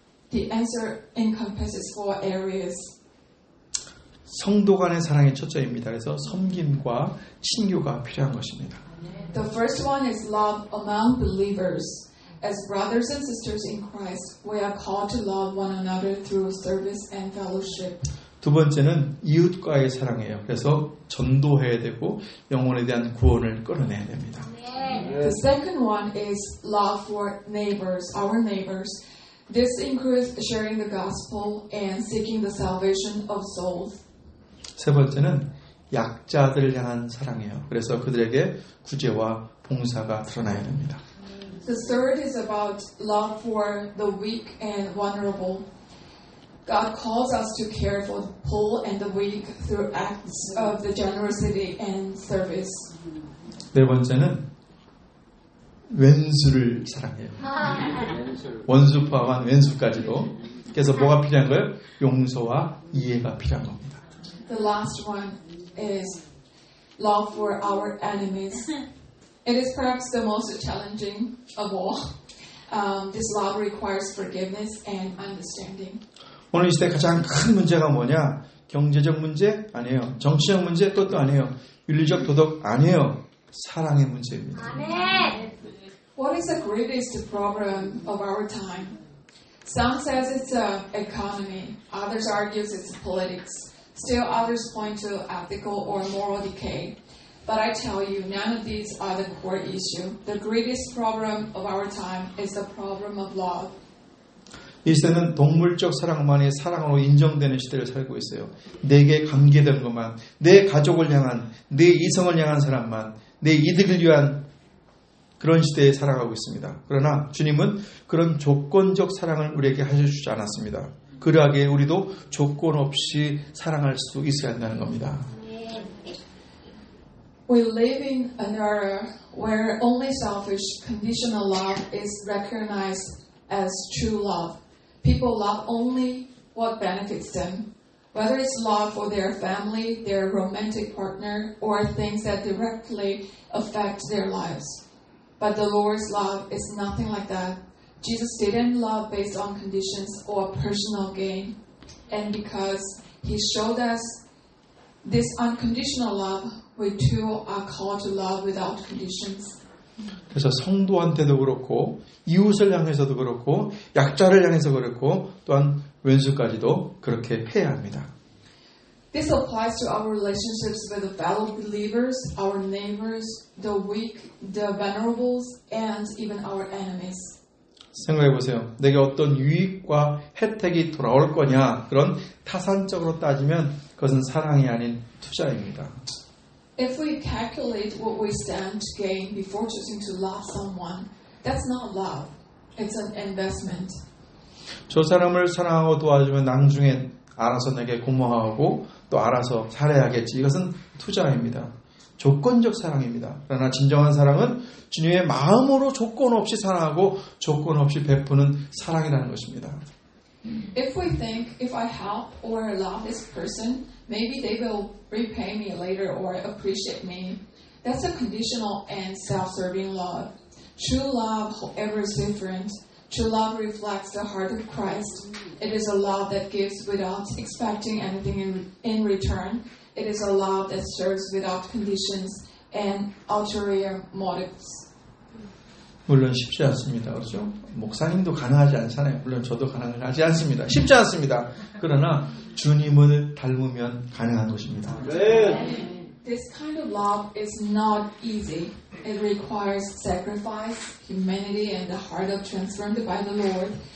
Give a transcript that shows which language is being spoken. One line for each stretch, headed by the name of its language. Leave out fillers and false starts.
English: The answer encompasses four areas.
Korean: 성도 간의 사랑이 첫째입니다. 그래서 섬김과 친교가 필요한 것입니다.
English: The first one is love among believers. As brothers and sisters in Christ, we are called to love one another through service and fellowship.
Korean: 두 번째는 이웃과의 사랑이에요. 그래서 전도해야 되고 영혼에 대한 구원을 끌어내야 됩니다.
English: The second one is love for neighbors, our neighbors. This includes sharing the gospel and seeking the salvation of souls.
Korean: 세 번째는 약자들을 향한 사랑이에요. 그래서 그들에게 구제와 봉사가 드러나야 됩니다.
English: The third is about love for the weak and vulnerable. God calls us to care for the poor and the weak through acts of the generosity and service.
Korean: 네 번째는 원수를 사랑해요. 원수 포함한 원수까지도. 그래서 뭐가 필요한 거예요? 용서와 이해가 필요한 겁니다.
English: The last one is love for our enemies. It is perhaps the most challenging of all. This love requires forgiveness and understanding.
Korean: 오늘 이 시대 가장 큰 문제가 뭐냐? 경제적 문제? 아니에요. 정치적 문제? 그것도 아니에요. 윤리적 도덕? 아니에요. 사랑의 문제입니다.
English: 아멘. What is the greatest problem of our time? Some says it's an economy. Others argue it's politics. Still others point to ethical or moral decay. But I tell you, none of these are the core issue. The greatest problem of our time is the problem of love.
Korean: 이 시대는 동물적 사랑만이 사랑으로 인정되는 시대를 살고 있어요. 내게 관계된 것만, 내 가족을 향한, 내 이성을 향한 사람만, 내 이득을 위한 그런 시대에 살아가고 있습니다. 그러나 주님은 그런 조건적 사랑을 우리에게 하셔주지 않았습니다. 그러하게 우리도 조건 없이 사랑할 수 있어야 한다는 겁니다.
English: We live in an era where only selfish, conditional love is recognized as true love. People love only what benefits them. Whether it's love for their family, their romantic partner, or things that directly affect their lives. But the Lord's love is nothing like that. Jesus didn't love based on conditions or personal gain. And because he showed us this unconditional love, we too are called to love without conditions.
Korean: 그래서 성도한테도 그렇고 이웃을 향해서도 그렇고 약자를 향해서 그렇고 또한 원수까지도 그렇게 해야 합니다.
English: This applies to our relationships with the fellow believers, our neighbors, the weak, the vulnerables, and even our enemies.
Korean: 생각해 보세요. 내게 어떤 유익과 혜택이 돌아올 거냐 그런 타산적으로 따지면 그것은 사랑이 아닌 투자입니다.
English: If we calculate what we stand to gain before choosing to love someone, that's not love. It's an investment.
Korean: 저 사람을 사랑하고 도와주면 나중에 알아서 내게 고마워하고 또 알아서 살아야겠지. 이것은 투자입니다. 조건적 사랑입니다. 그러나 진정한 사랑은 주님의 마음으로 조건 없이 사랑하고 조건 없이 베푸는 사랑이라는 것입니다.
English: If we think if I help or love this person, maybe they will repay me later or appreciate me. That's a conditional and self-serving love. True love, however, is different. True love reflects the heart of Christ. It is a love that gives without expecting anything in return. It is a love that serves without conditions and ulterior motives.
Korean: 물론 쉽지 않습니다. 그렇죠? 목사님도 가능하지 않잖아요. 물론 저도 가능하지 않습니다. 쉽지 않습니다. 그러나 주님을 닮으면 가능한 것입니다.
English: 네. This kind of love is not easy. It requires sacrifice, humanity, and the heart of transformed by the Lord.